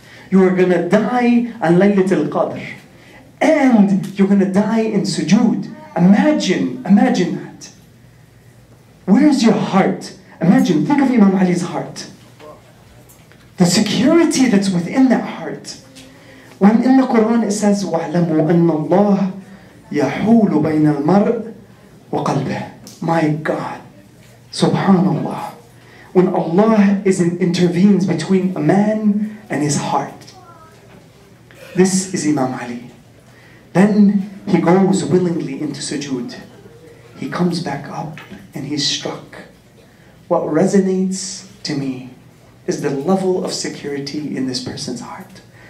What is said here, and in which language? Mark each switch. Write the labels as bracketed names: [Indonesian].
[English] You are gonna die on Laylatul Qadr. And you're gonna die in sujood. Imagine that. Where's your heart? Imagine, think of Imam Ali's heart. The security that's within that heart. When in the Quran it says, [Arabic] وَعْلَمُوا أَنَّ اللَّهَ يَحُولُ بَيْنَ الْمَرْءِ وَقَلْبِهِ. [English] My God. Subhanallah. When Allah intervenes between a man and his heart. This is Imam Ali. Then he goes willingly into sujood. He comes back up and he's struck. What resonates to me is the level of security in this person's heart.